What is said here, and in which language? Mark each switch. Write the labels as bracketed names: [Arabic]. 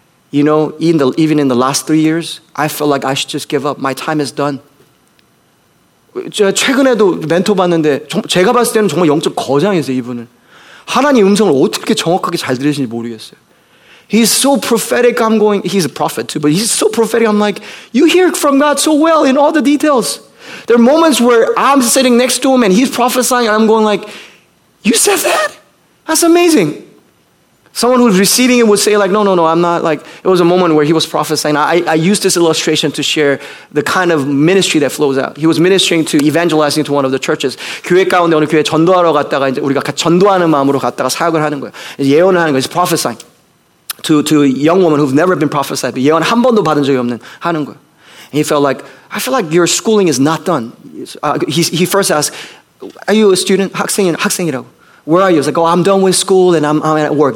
[English] You know, even in the last 3 years, I felt like I should just give up. My time is done. [Korean] 제가 최근에도 멘토 봤는데 제가 봤을 때는 정말 영적 거장이세요, 이분은. 하나님의 음성을 어떻게 정확하게 잘 들으시는지 모르겠어요. [English] He's so prophetic. I'm going, he's a prophet too, but he's so prophetic. I'm like, you hear from God so well in all the details. There are moments where I'm sitting next to him and he's prophesying and I'm going like, you said that? That's amazing. Someone who's receiving it would say like, no, I'm not like, it was a moment where he was prophesying. I used this illustration to share the kind of ministry that flows out. He was ministering to, evangelizing to one of the churches. [Korean] 교회 가운데 어느 교회에 전도하러 갔다가 이제 우리가 전도하는 마음으로 갔다가 사역을 하는 거예요. 예언을 하는 거예요. [English] He's prophesying to a young woman who's never been prophesied. [Korean] 예언 한 번도 받은 적이 없는 하는 거예요. [English] And he felt like, I feel like your schooling is not done. He first asked, are you a student? [Korean] 학생이라고. [English] Where are you? He's like, oh, I'm done with school and I'm at work.